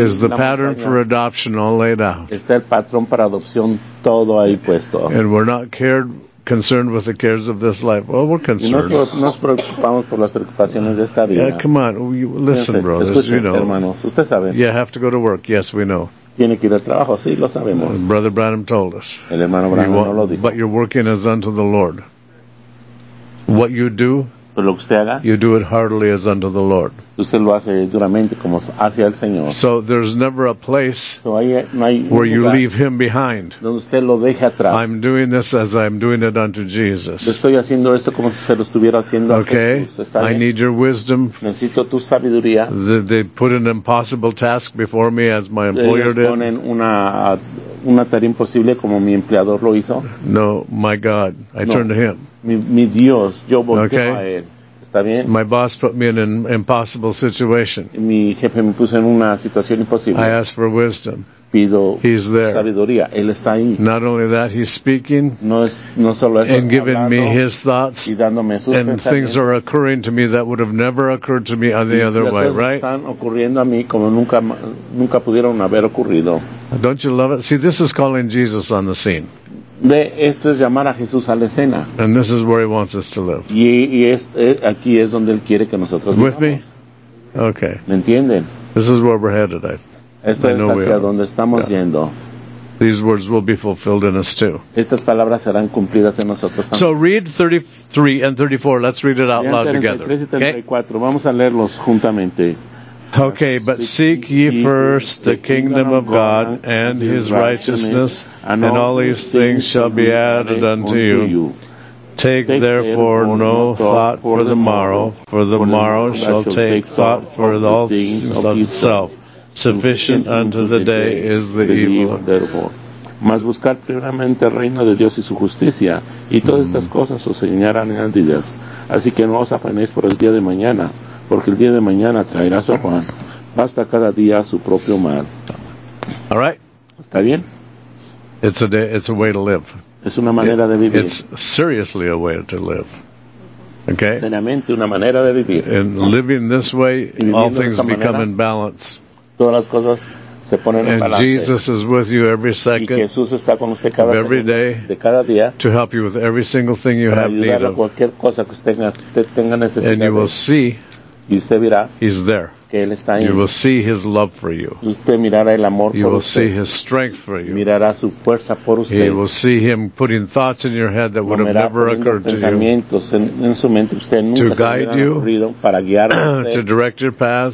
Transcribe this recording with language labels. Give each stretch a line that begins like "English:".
English: is the pattern for adoption all laid out.
Spanish: Está el patrón para adopción todo ahí puesto.
English: And we're not concerned with the cares of this life. Well, we're concerned.
Spanish: Y nos preocupamos por las preocupaciones de esta vida.
English: Yeah, come on, listen, fíjense, brothers,
Spanish: escuchen,
English: you know.
Spanish: Hermanos, usted sabe.
English: You have to go to work. Yes, we know.
Spanish: Tiene que ir al trabajo. Sí, lo sabemos.
English: Brother Branham told us.
Spanish: El hermano Branham no lo dijo.
English: But you're working as unto the Lord. What you do,
Spanish: lo que usted haga,
English: you do it heartily as unto the Lord.
Spanish: Usted lo hace duramente, como hacia el Señor.
English: So there's never a place
Spanish: so hay, no hay
English: where you leave him behind.
Spanish: Donde usted lo deje atrás.
English: I'm doing this as I'm doing it unto Jesus.
Spanish: Estoy haciendo esto como si se lo estuviera haciendo
English: okay.
Spanish: a Jesús. ¿Está bien?
English: I need your wisdom.
Spanish: Necesito tu sabiduría.
English: They put an impossible task before me as my employer
Spanish: ellos ponen
English: did.
Spanish: Una tarea imposible como mi empleador lo hizo.
English: No, my God, I
Spanish: no.
English: turn to him.
Spanish: Mi Dios, yo volteo
English: okay.
Spanish: a él. ¿Está bien?
English: My boss put me in an impossible situation.
Spanish: Mi jefe me puso en una situación imposible.
English: I ask for wisdom.
Spanish: Pido
English: He's there.
Spanish: Sabiduría. Él está ahí.
English: Not only that, he's speaking
Spanish: no solo eso,
English: and giving me his thoughts
Spanish: y dándome sus
English: and
Spanish: pensamientos.
English: Things are occurring to me that would have never occurred to me any other way, right?
Spanish: Están ocurriendo a mí como nunca pudieron haber ocurrido.
English: Don't you love it? See, this is calling Jesus on the scene.
Spanish: De esto es llamar a Jesús a la escena.
English: And this is where he wants us to live.
Spanish: Y aquí es donde él quiere que nosotros vivamos.
English: With me? Okay.
Spanish: ¿Me entienden?
English: This is where we're headed, I think.
Spanish: Esto
English: I
Spanish: es hacia donde estamos
English: yeah.
Spanish: yendo.
English: These words will be fulfilled in us too.
Spanish: Estas palabras serán cumplidas en nosotros también.
English: So read 33 and 34. Let's read it out loud together.
Spanish: Okay. Vamos a leerlos juntamente.
English: Okay, but seek ye first the kingdom of God and his righteousness, and all these things shall be added unto you. Take therefore no thought for the morrow, for the morrow shall take thought for all things of itself. Sufficient unto the day is the evil thereof.
Spanish: Mas buscar primeramente el reino de Dios y su justicia, y todas estas cosas os señalarán en ellas. Así que no os afanéis por el día de mañana. Porque el día de mañana traerá su afán. Basta cada día su propio mal.
English: All right.
Spanish: ¿Está bien?
English: It's a way to live.
Spanish: Es una manera de vivir.
English: It's seriously a way to live. Okay?
Spanish: Seriamente una manera de vivir.
English: And living this way, all things become
Spanish: manera,
English: in balance.
Spanish: Todas las cosas se ponen
English: and
Spanish: en balance.
English: And Jesus is with you every second.
Spanish: Y Jesús está con usted cada
English: every
Spanish: segundo,
English: day.
Spanish: De cada día.
English: To help you with every single thing you have need of.
Spanish: Para ayudar a cualquier cosa que usted tenga necesidad.
English: And you will see
Spanish: y usted verá
English: He's there.
Spanish: que él está
English: ahí. You will see his love for you.
Spanish: Usted mirará el amor
English: you
Spanish: por
English: will
Spanish: usted.
English: See his strength for you.
Spanish: Mirará su fuerza por usted.
English: He will see him putting thoughts in your head that would have never occurred to
Spanish: pensamientos
English: you.
Spanish: En su mente usted nunca
English: to guide you.
Spanish: Para guiar a usted,
English: to direct your path.